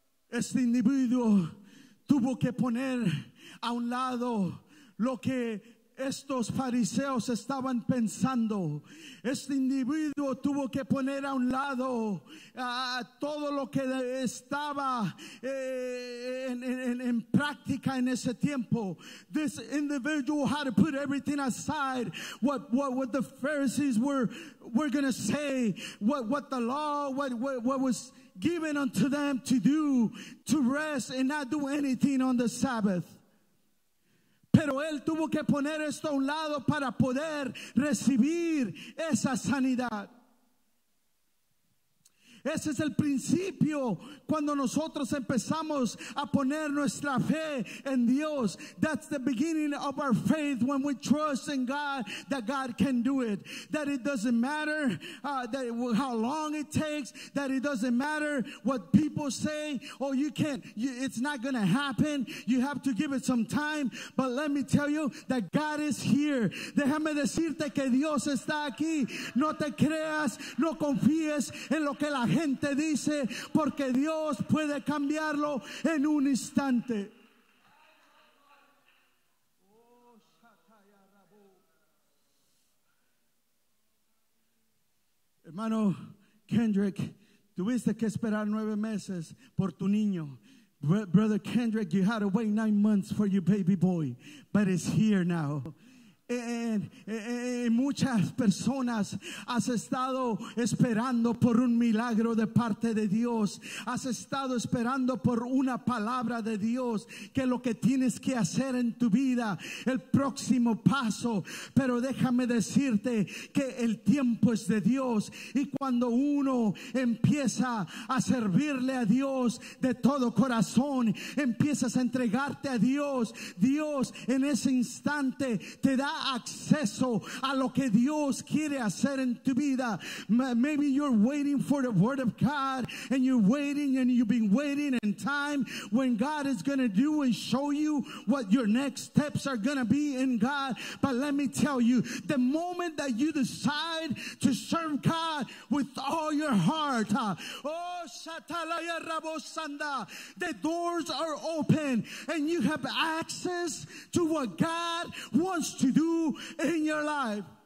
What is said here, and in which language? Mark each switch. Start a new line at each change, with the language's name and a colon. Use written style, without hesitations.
Spanish: Este individuo tuvo que poner a un lado lo que estos fariseos estaban pensando. Este individuo tuvo que poner a un lado todo lo que estaba en práctica en ese tiempo.
English: This individual had to put everything aside, what the Pharisees were going to say, what the law, what was given unto them to do, to rest and not do anything on the Sabbath.
Spanish: Pero él tuvo que poner esto a un lado para poder recibir esa sanidad. Ese es el principio cuando nosotros empezamos a poner nuestra fe en Dios.
English: That's the beginning of our faith when we trust in God, that God can do it. That it doesn't matter how long it takes, that it doesn't matter what people say, oh, you can't, it's not going to happen. You have to give it some time. But let me tell you that God is here.
Spanish: Déjame decirte que Dios está aquí. No te creas, no confíes en lo que la gente dice, porque Dios puede cambiarlo en un instante. Hermano Kendrick, tuviste que esperar 9 meses por tu niño.
English: Brother Kendrick, you had to wait 9 months for your baby boy, but it's here now.
Spanish: En muchas personas has estado esperando por un milagro de parte de Dios. Has estado esperando por una palabra de Dios, que lo que tienes que hacer en tu vida, el próximo paso. Pero déjame decirte que el tiempo es de Dios. Y cuando uno empieza a servirle a Dios de todo corazón, empiezas a entregarte a Dios, Dios en ese instante te da acceso a lo que Dios quiere hacer en tu vida.
English: Maybe you're waiting for the word of God, and you're waiting, and you've been waiting in time when God is going to do and show you what your next steps are going to be in God. But let me tell you, the moment that you decide to serve God with all your heart, the doors are open and you have access to what God wants to do in your life.